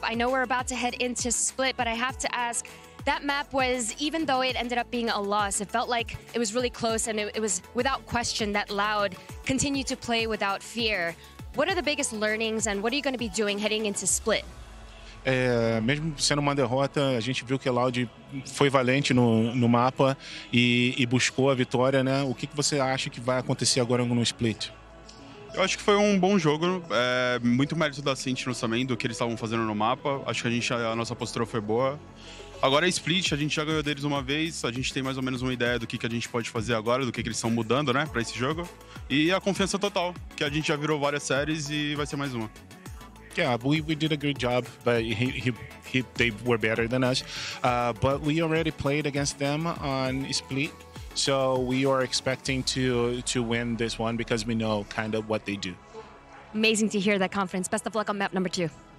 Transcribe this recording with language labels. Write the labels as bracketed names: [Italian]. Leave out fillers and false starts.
[English] I know we're about to head into split, but I have to ask, that map was, even though it ended up being a loss, it felt like it was really close, and it was without question that Loud continued to play without fear. What are the biggest learnings, and what are you going to be doing heading into split? [Portuguese] Mesmo sendo uma derrota, a gente viu que a Loud foi valente no mapa e buscou a vitória, né? O que você acha que vai acontecer agora no split? Eu acho que foi um bom jogo, muito mérito da Sentinels também, do que eles estavam fazendo no mapa. Acho que a nossa postura foi boa. Agora é split, a gente já ganhou deles uma vez, a gente tem mais ou menos uma ideia do que a gente pode fazer agora, do que eles estão mudando, né, pra esse jogo. E a confiança total, que a gente já virou várias séries e vai ser mais uma. [English] Yeah, we did a good job, but they were better than us. But we already played against them on Split, so we are expecting to win this one because we know kind of what they do. Amazing to hear that confidence. Best of luck on map number two.